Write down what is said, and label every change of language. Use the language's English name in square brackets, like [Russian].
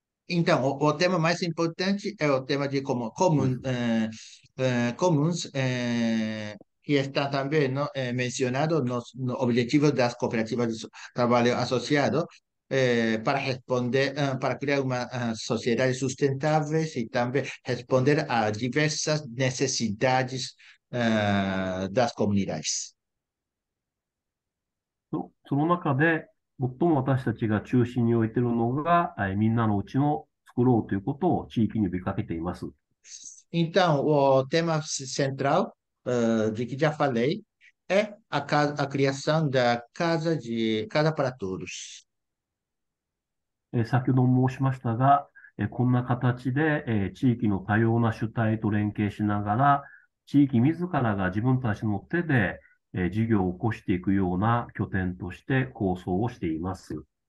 [Portuguese] Então, o tema mais importante é o tema de comuns, que está também, não, mencionado no objetivo das cooperativas de trabalho associado, para responder, para criar uma sociedade sustentável e também responder a diversas necessidades, das comunidades. [Japanese] その中で、最も私たちが中心に置いているのが、みんなのうちを作ろうということを地域に呼びかけています。 [Portuguese] Então, o tema central, de que já falei é a criação da casa para todos. [Japanese] 先ほども申しましたが、こんな形で、地域の多様な主体と連携しながら、地域自らが自分たちの手で、事業を起こしていくような拠点として構想をしています。